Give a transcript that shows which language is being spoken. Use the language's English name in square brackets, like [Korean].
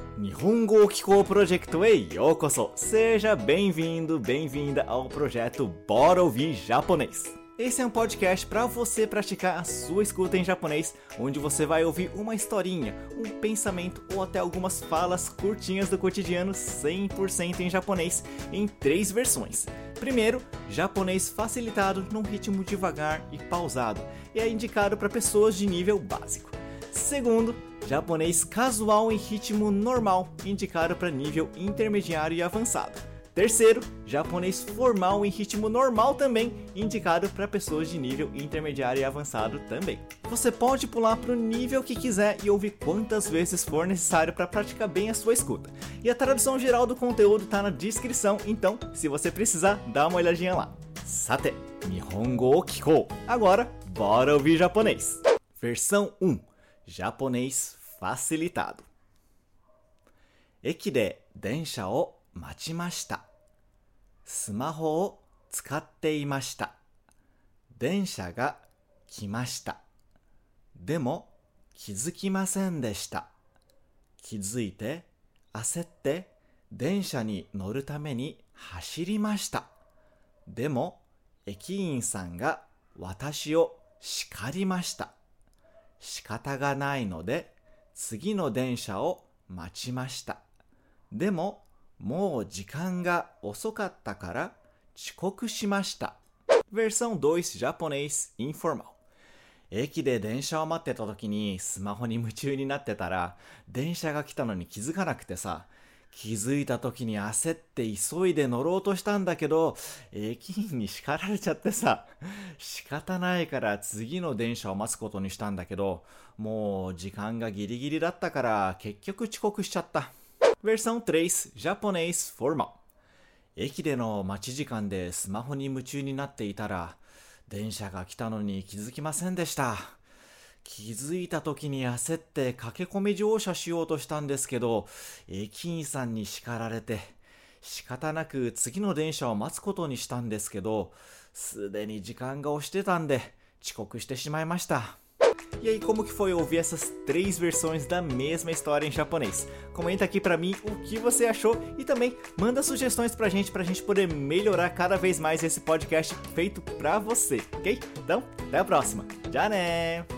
[Japanese] 日本語を聞こうプロジェクトへようこそ。 [Portuguese] Seja bem-vindo, bem-vinda ao projeto Bora Ouvir Japonês. Esse é um podcast para você praticar a sua escuta em japonês, onde você vai ouvir uma historinha, um pensamento ou até algumas falas curtinhas do cotidiano 100% em japonês, em três versões. Primeiro, japonês facilitado num ritmo devagar e pausado, e é indicado para pessoas de nível básico. Segundo, japonês casual em ritmo normal, indicado para nível intermediário e avançado. Terceiro, japonês formal em ritmo normal também, indicado para pessoas de nível intermediário e avançado também. Você pode pular para o nível que quiser e ouvir quantas vezes for necessário para praticar bem a sua escuta. E a tradução geral do conteúdo está na descrição, então, se você precisar, dá uma olhadinha lá. [Japanese] Sate, Nihongo o kikou. [Portuguese] Agora, bora ouvir japonês. Versão 1. Japonês facilitado. [Japanese] 駅で電車を待ちました。スマホを使っていました。電車が来ました。でも気づきませんでした。気づいて焦って電車に乗るために走りました。でも駅員さんが私を叱りました。仕方がないので次の電車を待ちました。でももう時間が遅かったから遅刻しました。 [Portuguese] Versão 2 japonês informal. [Japanese] 駅で電車を待ってた時にスマホに夢中になってたら電車が来たのに気づかなくてさ、気づいた時に焦って急いで乗ろうとしたんだけど、駅員に叱られちゃってさ、仕方ないから次の電車を待つことにしたんだけど、もう時間がギリギリだったから結局遅刻しちゃった。 [Portuguese] Versão 3, japonês formal. [Japanese] 駅での待ち時間でスマホに夢中になっていたら、電車が来たのに気づきませんでした。気づいた時に焦って駆け込み乗車しようとしたんですけど、駅員さんに叱られて、仕方なく次の電車を待つことにしたんですけど、すでに時間が押してたんで遅刻してしまいました。 [Portuguese] E aí, como que foi ouvir essas três versões da mesma história em japonês? Comenta aqui pra mim o que você achou e também manda sugestões pra gente poder melhorar cada vez mais esse podcast feito pra você, ok? Então, até a próxima. Tchau, né?